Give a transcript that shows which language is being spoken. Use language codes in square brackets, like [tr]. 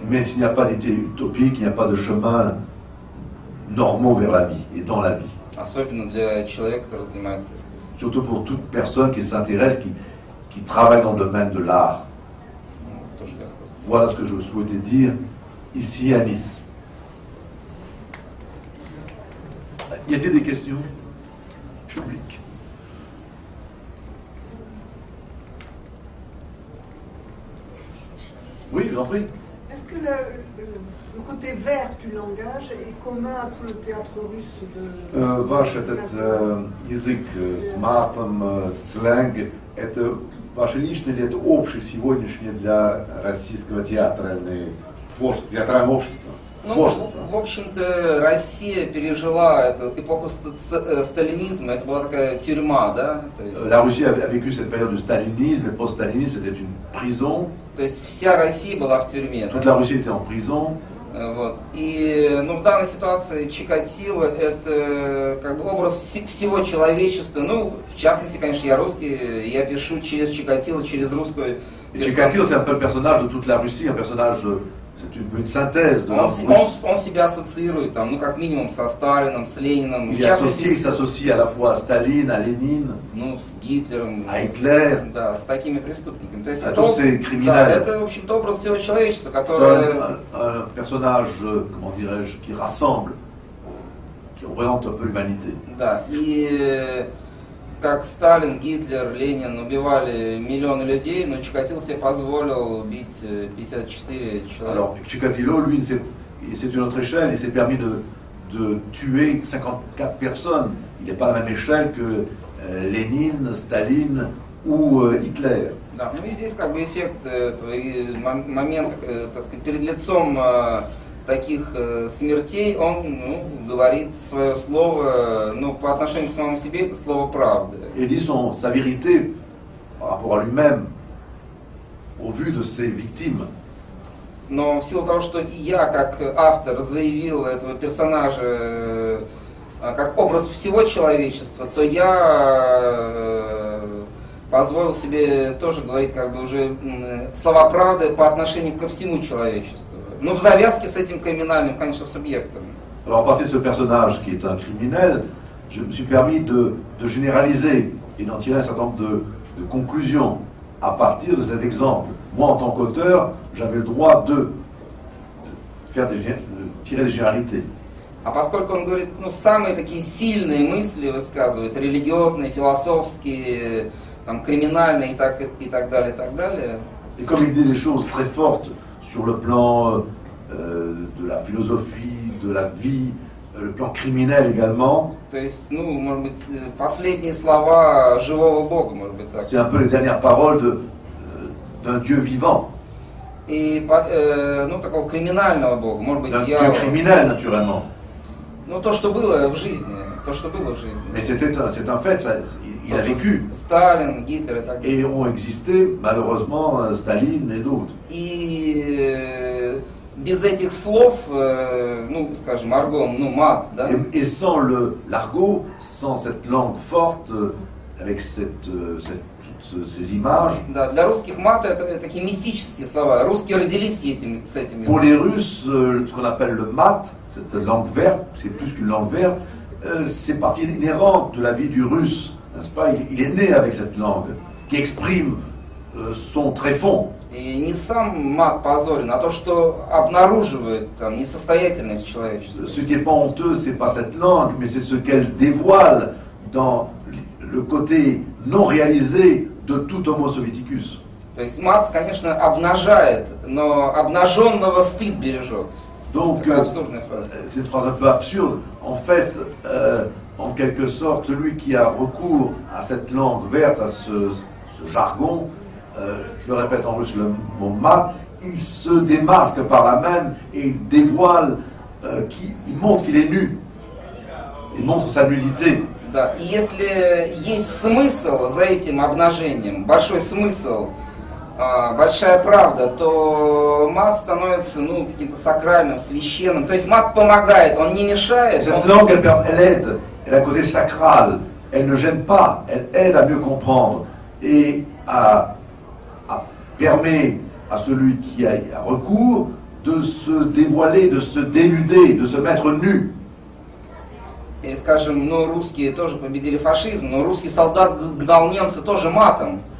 [fr] Mais s'il n'y a pas d'idée utopique, il n'y a pas de chemin normal vers la vie et dans la vie. [ru] Особенно для человека, который занимается искусством. [fr] Surtout pour toute personne qui s'intéresse, qui travaille dans le domaine de l'art. Voilà ce que je souhaitais dire ici à Nice. Y a-t-il des questions publiques? Oui, je vous en prie. Est-ce que le côté vert du langage est commun à tout le théâtre russe de... [ru] Ваш этот язык с матом, сленг, это ваше личное или это общее сегодняшнее для российского театрального общества? Ну, в общем-то, Россия пережила эту эпоху сталинизма, это была такая тюрьма, да? [fr] La Russie a vécu cette période du stalinisme, et post-stalinisme, c'était une prison. [ru] То есть вся Россия была в тюрьме. [fr] Toute la Russie était en prison. [ru] Вот. И, ну, в данной ситуации Чикатило – это как бы образ всего человечества. Ну, в частности, конечно, я русский, я пишу через Чикатило, через русскую персонажа. [fr] Чикатило – c'est un peu le personnage de toute la Russie, un personnage... C'est une synthèse de [ru] on себя ассоциирует там, ну как минимум со Сталином, с Лениным. [fr] Il s'associe, à la fois à Staline, à Lénine. [ru] Ну с Гитлером. [fr] À Hitler. [ru] Да, с такими преступниками. То есть это [fr] tous ces criminels. [ru] Да, это в общем-то образ всего человечества, которое. [fr] C'est un personnage, comment dirais-je, qui rassemble, qui représente un peu l'humanité. [ru] Да, и как Сталин, Гитлер, Ленин убивали миллионы людей, но Чикатило себе позволил убить 54 человека. [fr] Alors, Чикатило, lui, c'est une autre échelle, il s'est permis de tuer 54 personnes. Il n'est pas à la même échelle que Ленин, Staline ou Hitler. [ru] Да, ну и здесь как бы эффект, момент, так сказать, перед лицом таких смертей, он, ну, говорит свое слово, ну, по отношению к самому себе, это слово правды. [fr] Il dit sa vérité par rapport à lui-même, au vu de ses victimes. [ru] Но в силу того, что я, как автор, заявил этого персонажа как образ всего человечества, то я позволил себе тоже говорить, как бы, уже слова правды по отношению ко всему человечеству. Но в завязке с этим криминальным, конечно, субъектом. [fr] Alors, à partir de ce personnage qui est un criminel, je me suis permis de généraliser et d'en tirer un certain nombre de conclusions à partir de cet exemple. Moi, en tant qu'auteur, j'avais le droit de tirer des généralités. [ru] А поскольку он говорит, ну, самые такие сильные мысли высказывает, религиозные, философские, там, криминальные и так далее, и так далее. [fr] Et comme il dit des choses très fortes, sur le plan de la philosophie, de la vie, le plan criminel également. C'est un peu les dernières paroles d'un Dieu vivant. [ru] И, ну, такого криминального бога, может быть, дьявола. [fr] Du criminel, naturellement. [ru] Ну, то, что было в жизни, то, что было в жизни. [fr] Mais c'est un fait, ça, il a vécu. [ru] Сталин, Гитлер и так далее. [fr] Et ont existé, malheureusement, Staline et d'autres. [ru] И без этих слов, ну, скажем, аргон, ну, мат, да? [fr] Et sans l'argot, sans cette langue forte, avec cette ces images. [ru] Да, для русских мат это такие мистические слова. Русские родились с этими. [fr] Pour les Russes, ce qu'on appelle le mat, cette langue verte, c'est plus qu'une langue verte, c'est partie inhérente de la vie du Russe, n'est-ce pas? Il est né avec cette langue qui exprime son tréfonds. [ru] И не сам мат позорен, а то, что обнаруживает там несостоятельность человеческую. [fr] Ce qui est pas honteux, c'est pas cette langue, mais c'est ce qu'elle dévoile dans le côté non réalisé de tout Homo Sovieticus. [ru] То есть мат, конечно, обнажает, но обнаженного стыд бережет. [fr] Donc, c'est une phrase un peu absurde. En fait, en quelque sorte, celui qui a recours à cette langue verte, à ce jargon, je répète en russe le mot mat, il se démasque par là même et il dévoile, il montre qu'il est nu. Il montre sa nudité. [ru] Да, и если есть смысл за этим обнажением, большой смысл, большая правда, то мат становится, ну, каким-то сакральным, священным. То есть мат помогает, он не мешает. [fr] Cette langue, elle aide, elle a côté sacral, elle ne gêne pas, elle aide à mieux comprendre et à permet à celui qui a recours de se dévoiler, de se dénuder, de se mettre nu. [ru] И, скажем, ну, русские тоже победили фашизм, но русский солдат гнал немца тоже матом.